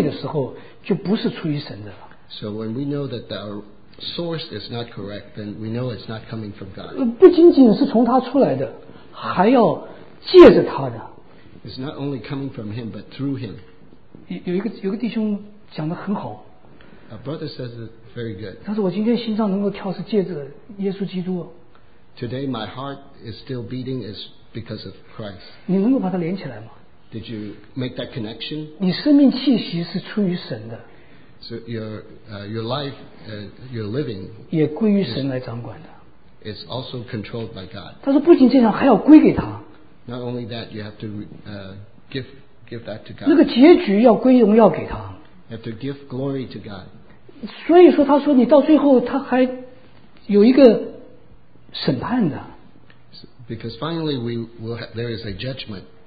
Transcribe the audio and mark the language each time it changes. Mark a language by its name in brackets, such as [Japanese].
[Chinese] 所以我们知道，如果你那个我们那个源头不对的时候，就不是出于神的了。So [English] when we know that our source is not correct, then we know it's not coming from God. [Chinese] 不仅仅是从他出来的，还要借着他的。It's [English] not only coming from him, but through him. [Chinese] 有一个弟兄讲得很好。A [English] brother says it very good. [Chinese] 他说我今天心脏能够跳是借着耶稣基督。 [English] Today my heart is still beating is because of Christ. [Chinese] 你能够把它连起来吗? [English] Did you make that connection? [Chinese] 你生命气息是出于神的。 [English] So your life, your living, [Chinese] 也归于神来掌管的。 [English] It's also controlled by God. [Chinese] 他说不仅这样，还要归给他。Not [English] only that, you have to give that to God. [Chinese] 那个结局要归荣耀给他。You [English] have to give glory to God. [Chinese] 所以说他说你到最后他还有一个 审判的, [English] because finally we will have, there is a judgment.